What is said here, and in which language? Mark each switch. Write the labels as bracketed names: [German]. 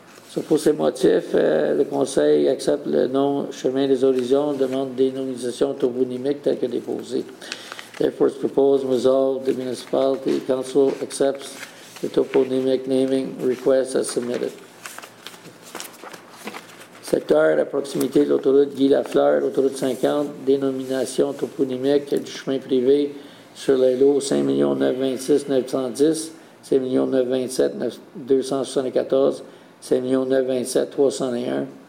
[French] So pour ces motifs, le conseil accepte le nom Chemin des Horizons, demande dénomination toponymique telle que déposée. [English] Therefore, it's proposed and resolved, the municipality council accepts the toponymic naming request as submitted. [French] Secteur, à proximité de l'autoroute Guy Lafleur, autoroute 50, dénomination toponymique du chemin privé sur les lots 5,926,910, 5,927,274, 5,927,301.